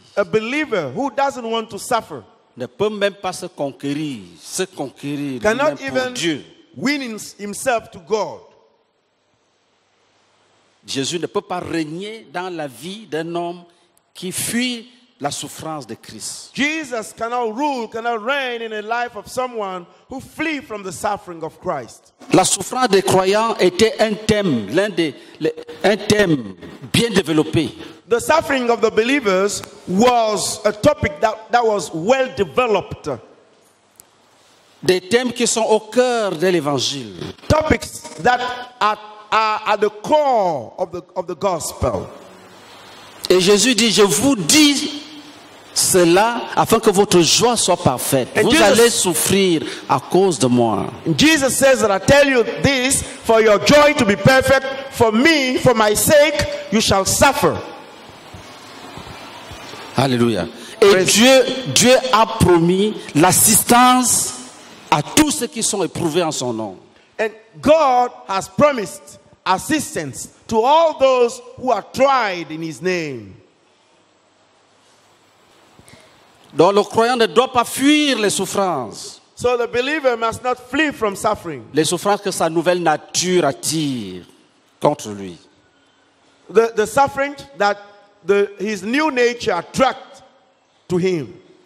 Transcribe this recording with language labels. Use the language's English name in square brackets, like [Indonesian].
[English] a believer who doesn't want to suffer, [French] ne peut même pas se conquérir [English] cannot [French] même [English] even [French] pour Dieu. [English] Win himself to God. [French] Jésus ne peut pas régner dans la vie d'un homme qui fuit la souffrance de Christ. [English] Jesus cannot reign in the life of someone who flee from the suffering of Christ. [French] La souffrance des croyants était un thème bien développé. [English] The suffering of the believers was a topic that was well developed. [French] Des thèmes qui sont au cœur de l'évangile. [English] Topics that are at the core of the gospel. [French] Et Jésus dit, je vous dis cela afin que votre joie soit parfaite. [English] And [French] vous [English] Jesus, [French] allez souffrir à cause de moi. [English] Jesus says that I tell you this for your joy to be perfect. For me, for my sake, you shall suffer. [French] Alléluia. Et Dieu a promis l'assistance à tous ceux qui sont éprouvés en son nom. [English] And God has promised assistance to all those who are tried in his name. [French] Donc le croyant ne doit pas fuir les souffrances. [English] So the believer must not flee from suffering. [French] Les souffrances que sa nouvelle nature attire contre lui. [English] The suffering that his new nature attracts to him.